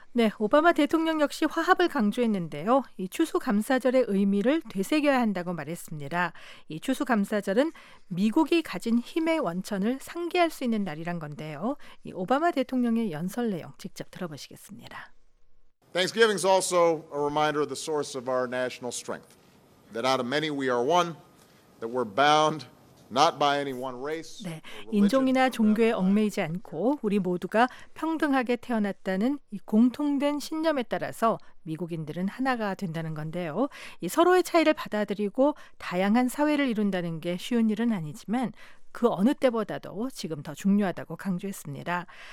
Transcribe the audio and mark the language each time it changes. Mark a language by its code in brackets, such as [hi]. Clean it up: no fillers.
[ko] 네, 오바마 대통령 역시 화합을 강조했는데요. 이 추수감사절의 의미를 되새겨야 한다고 말했습니다. 이 추수감사절은 미국이 가진 힘의 원천을 상기할 수 있는 날이란 건데요. 이 오바마 대통령의 연설 내용 직접 들어보시겠습니다. [en] Thanksgiving is also a reminder of the source of our national strength. That out of many we are one, that we're bound not by any one race. [ko] 네, 인종이나 종교에 얽매이지 않고 우리 모두가 평등하게 태어났다는 이 공통된 신념에 따라서 미국인들은 하나가 된다는 건데요. 이 서로의 차이를 받아들이고 다양한 사회를 이룬다는 게 쉬운 일은 아니지만 그 어느 때보다도 지금 더 중요하다고 강조했습니다.